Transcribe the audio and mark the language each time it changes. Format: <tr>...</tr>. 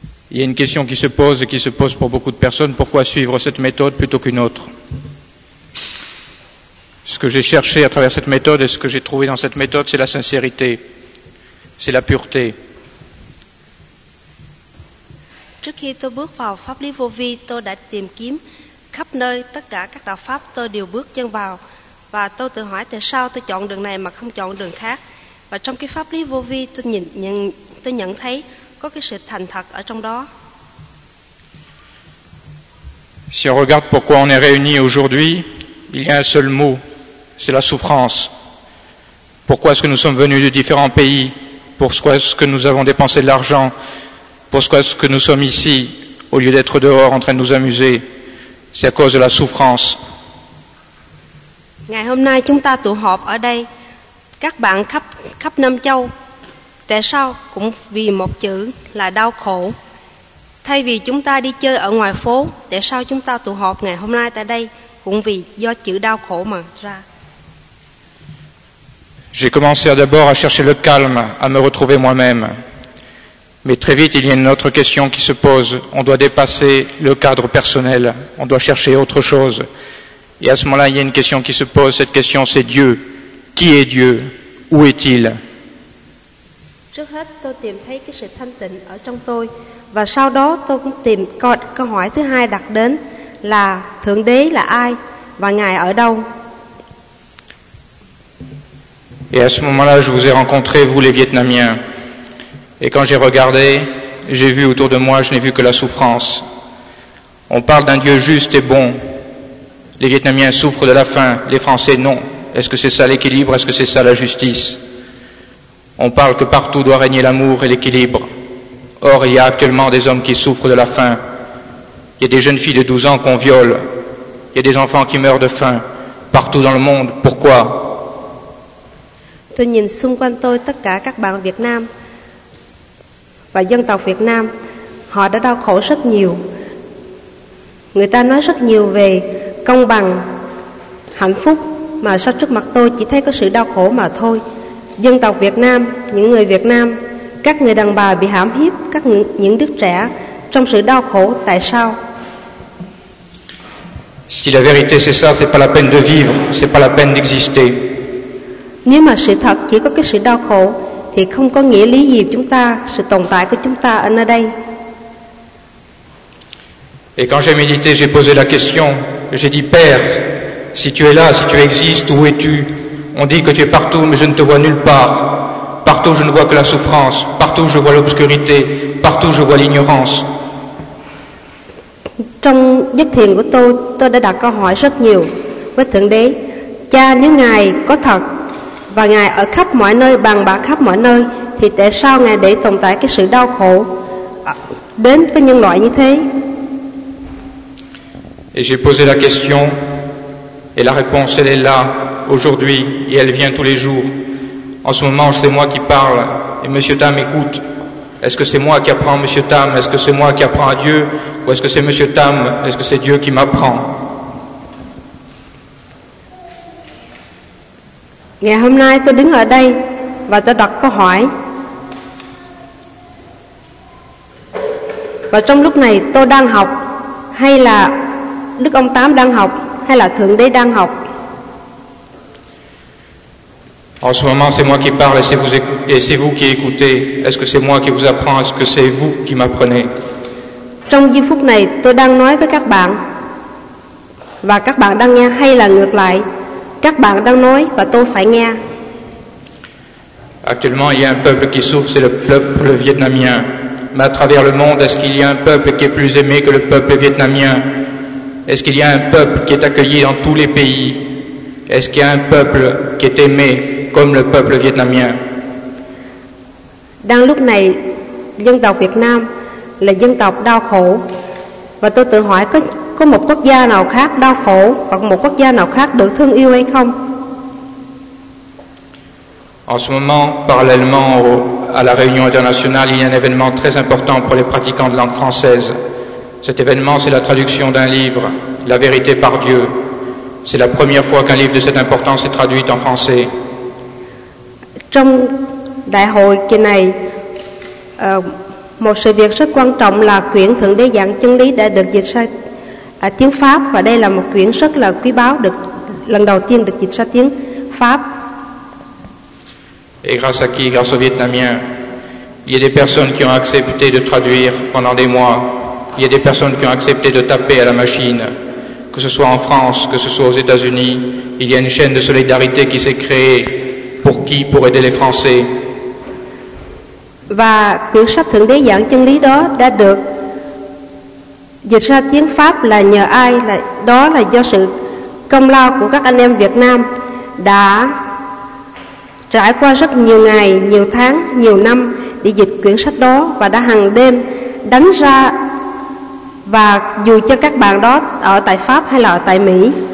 <fr>Il y a une question qui se pose et qui se pose pour beaucoup de personnes: pourquoi suivre cette méthode plutôt qu'une autre? Ce que j'ai cherché à travers cette méthode et ce que j'ai trouvé dans cette méthode, c'est la sincérité, c'est la pureté.</fr> <vi>Trước khi tôi bước vào pháp lý vô vi, tôi đã tìm kiếm khắp nơi, tất cả các đạo pháp tôi đều bước chân vào, và tôi tự hỏi tại sao tôi chọn đường này mà không chọn đường khác. Và trong cái pháp lý vô vi, tôi nhận thấy có cái sự thành thật ở trong đó.</vi> <fr>Si on regarde pourquoi on est réunis aujourd'hui, il y a un seul mot, c'est la souffrance. Pourquoi est-ce que nous sommes venus de différents pays? Pourquoi est-ce que nous avons dépensé de l'argent? Pourquoi est-ce que nous sommes ici au lieu d'être dehors en train de nous amuser? C'est à cause de la souffrance.</fr> <vi>Ngày hôm nay chúng ta tụ họp ở đây, các bạn khắp năm châu, tại sao? Cũng vì một chữ là đau khổ. Thay vì chúng ta đi chơi ở ngoài phố, tại sao chúng ta tụ họp ngày hôm nay tại đây? Cũng vì do chữ đau khổ mà ra.</vi> <fr>J'ai commencé d'abord à chercher le calme, à me retrouver moi-même. Mais très vite, il y a une autre question qui se pose. On doit dépasser le cadre personnel. On doit chercher autre chose. Et à ce moment-là, il y a une question qui se pose. Cette question, c'est Dieu. Qui est Dieu? Où est-il?</fr> <vi>Trước hết, tôi tìm thấy cái sự thanh tịnh ở trong tôi. Và sau đó, tôi cũng tìm câu hỏi thứ hai đặt đến là Thượng Đế là ai? Và Ngài ở đâu?</vi> <fr>Et à ce moment-là, je vous ai rencontré, vous les Vietnamiens. Et quand j'ai regardé, j'ai vu autour de moi, je n'ai vu que la souffrance. On parle d'un Dieu juste et bon. Les Vietnamiens souffrent de la faim, les Français non. Est-ce que c'est ça l'équilibre? Est-ce que c'est ça la justice? On parle que partout doit régner l'amour et l'équilibre. Or, il y a actuellement des hommes qui souffrent de la faim. Il y a des jeunes filles de 12 ans qu'on viole. Il y a des enfants qui meurent de faim partout dans le monde. Pourquoi?</fr> <vi>Tôi nhìn xung quanh tôi tất cả các bạn Việt Nam và dân tộc Việt Nam, họ đã đau khổ rất nhiều. Người ta nói rất nhiều về công bằng, hạnh phúc, mà sao trước mặt tôi chỉ thấy có sự đau khổ mà thôi. Dân tộc Việt Nam, những người Việt Nam, các người đàn bà bị hãm hiếp, các những đứa trẻ trong sự đau khổ, tại sao?</vi> <fr>Si la vérité c'est ça, c'est pas la peine de vivre, c'est pas la peine d'exister.</fr> <vi>Nếu mà sự thật chỉ có cái sự đau khổ thì không có nghĩa lý gì chúng ta, sự tồn tại của chúng ta ở nơi đây.</vi> <fr>Et quand j'ai médité, j'ai posé la question, j'ai dit Père, si tu es là, si tu existes, où es-tu? On dit que tu es partout, mais je ne te vois nulle part. Partout je ne vois que la souffrance, partout je vois l'obscurité, partout je vois l'ignorance.</fr> <vi>Trong giấc thiền của tôi đã đặt câu hỏi rất nhiều với Thượng Đế. Cha, nếu Ngài có thật và Ngài ở khắp mọi nơi, bằng bạc khắp mọi nơi, thì tại sao Ngài để tồn tại cái sự đau khổ đến với nhân loại như thế?</vi> <fr>Et j'ai posé la question, et la réponse elle est là, aujourd'hui, et elle vient tous les jours. En ce moment, c'est moi qui parle, et M. Tam écoute. Est-ce que c'est moi qui apprends à M. Tam? Est-ce que c'est moi qui apprends à Dieu? Ou est-ce que c'est M. Tam? Est-ce que c'est Dieu qui m'apprend?</fr> <vi>Ngày hôm nay tôi đứng ở đây và tôi đặt câu hỏi. Và trong lúc này tôi đang học hay là Đức ông Tám đang học hay là Thượng Đế đang học?</vi> <fr>En ce moment c'est moi qui parle et c'est vous qui écoutez. Est-ce que c'est moi qui vous apprends? Est-ce que c'est vous qui m'apprenez?</fr> <vi>Trong giây phút này tôi đang nói với các bạn và các bạn đang nghe hay là ngược lại? Các bạn đang nói và tôi phải nghe.</vi> <fr>Actuellement, il y a un peuple qui souffre, c'est le peuple vietnamien. Mais à travers le monde, est-ce qu'il y a un peuple qui est plus aimé que le peuple vietnamien? Est-ce qu'il y a un peuple qui est accueilli dans tous les pays? Est-ce qu'il y a un peuple qui est aimé comme le peuple vietnamien? Dans</fr> <vi>lúc này, dân tộc Việt Nam là dân tộc đau khổ. Và tôi tự hỏi có một quốc gia nào khác đau khổ hoặc một quốc gia nào khác được thương yêu hay không?</vi> <fr>En ce moment, parallèlement à la réunion internationale, il y a un événement très important pour les pratiquants de langue française. Cet événement, c'est la traduction d'un livre, La vérité par Dieu. C'est la première fois qu'un livre de cette importance est traduit en français.</fr> <vi>Trong đại hội kỳ này, một sự việc rất quan trọng là quyển Thượng Đế dạng chân lý đã được dịch sang tiếng Pháp, và đây là một quyển rất là quý báu, được lần đầu tiên được dịch ra tiếng Pháp.</vi> <fr>Et grâce à qui? Grâce aux Vietnamiens. Il y a des personnes qui ont accepté de traduire pendant des mois. Il y a des personnes qui ont accepté de taper à la machine. Que ce soit en France, que ce soit aux États-Unis, il y a une chaîne de solidarité qui s'est créée. Pour qui? Pour aider les Français.</fr> <vi>Và quyển sách Thượng Đế dạng chân lý đó đã được dịch ra tiếng Pháp là nhờ ai? Đó là do sự công lao của các anh em Việt Nam đã trải qua rất nhiều ngày, nhiều tháng, nhiều năm để dịch quyển sách đó, và đã hàng đêm đánh ra, và dù cho các bạn đó ở tại Pháp hay là ở tại Mỹ.</vi>